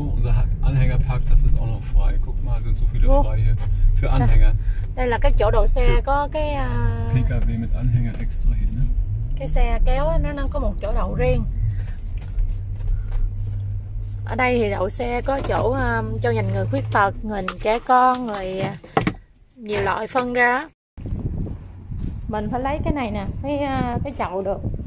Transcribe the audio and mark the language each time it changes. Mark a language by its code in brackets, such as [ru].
[de] Oh, unser Anhängerpark, das ist auch noch frei. Guck mal, sind so viele frei hier. Für Anhänger. [vi] Đây là cái chỗ đậu xe có cái [de] PKW mit Anhänger extra hier, ne? [vi] Cái xe kéo nó có một chỗ đậu riêng. Ở đây thì đậu xe có chỗ cho dành người khuyết tật, người trẻ con, người nhiều loại phân ra. Mình phải lấy cái này nè, cái chậu được.